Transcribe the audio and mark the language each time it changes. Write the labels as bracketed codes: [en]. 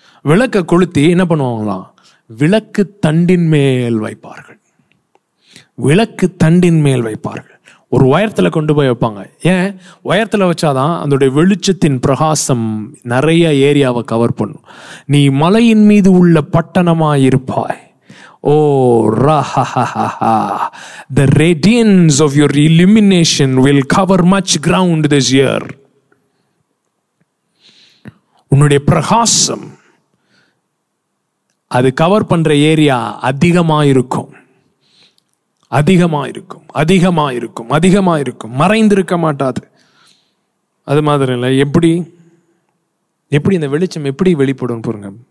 [ta] விளக்கை கொளுத்தி என்ன பண்ணுவாங்களாம், விளக்கு தண்டின் மேல் வைப்பார்கள். விளக்கு தண்டின் மேல் வைப்பார்கள், ஒரு உயரத்தில் கொண்டு போய் வைப்பாங்க. ஏன் உயரத்தில் வச்சாதான் அதனுடைய வெளிச்சத்தின் பிரகாசம் நிறைய ஏரியாவை கவர் பண்ணும். நீ மலையின் மீது உள்ள பட்டணமாக இருப்பாய். [en] Oh ரஹஹஹா, the radiance of your illumination will cover much ground this year. [ta] உன்னுடைய பிரகாசம் அது கவர் பண்ற ஏரியா அதிகமாயிருக்கும், அதிகமாயிருக்கும், அதிகமாயிருக்கும், அதிகமாயிருக்கும், மறைந்திருக்க மாட்டாது. அது மாதிரி இல்லை, எப்படி எப்படி இந்த வெளிச்சம் எப்படி வெளிப்படும் பாருங்க.